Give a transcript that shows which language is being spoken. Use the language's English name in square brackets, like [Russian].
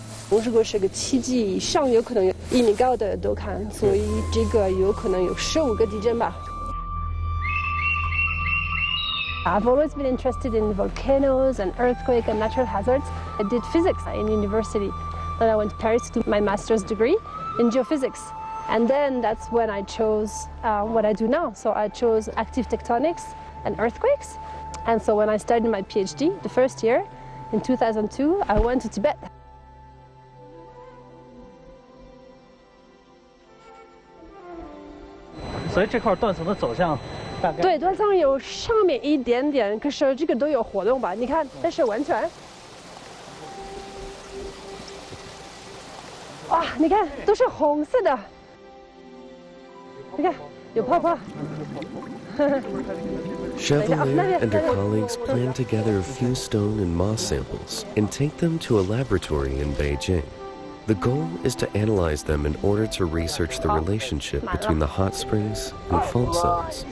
[Chinese] 我如果是个七级以上，有可能有一米高的都看，所以这个有可能有15个地震吧。 [English] I've always been interested in volcanoes and earthquake and natural hazards. I did physics in university, then I went to Paris to do my master's degree in geophysics, and then that's when I chose what I do now. So I chose active tectonics and earthquakes, and so when I started my PhD the first year in 2002, I went to Tibet. [Chinese] 所以这块断层的走向大概对断层有上面一点点，可是这个都有活动吧，你看这是完全哇，你看都是红色的，你看有泡泡。 [English] Chevalier and her colleagues plan to gather a few stone and moss samples and take them to a laboratory in Beijing. The goal is to analyze them in order to research the relationship between the hot springs and fault zones.